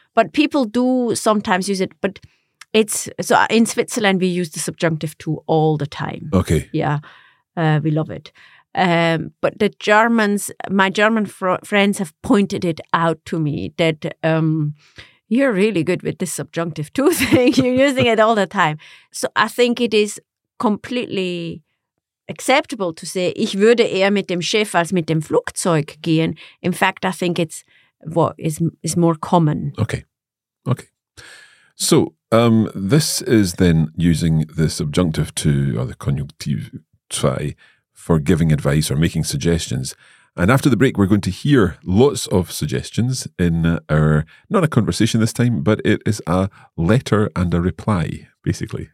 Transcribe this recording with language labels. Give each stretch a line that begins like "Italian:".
English: But people do sometimes use it, but it's... so in Switzerland, we use the subjunctive to all the time. Okay. Yeah, we love it. But the Germans, my German friends have pointed it out to me that you're really good with this subjunctive to thing. You're using it all the time. So I think it is completely... acceptable to say,
German: ich würde eher mit dem Schiff als mit dem Flugzeug gehen.
English: In fact, I think it's what is more common. Okay. Okay. So, this is then using the subjunctive to or the Konjunktiv 2 for giving advice or making suggestions. And after the break, we're going to hear lots of suggestions in our, not a conversation this time, but it is a letter and a reply, basically.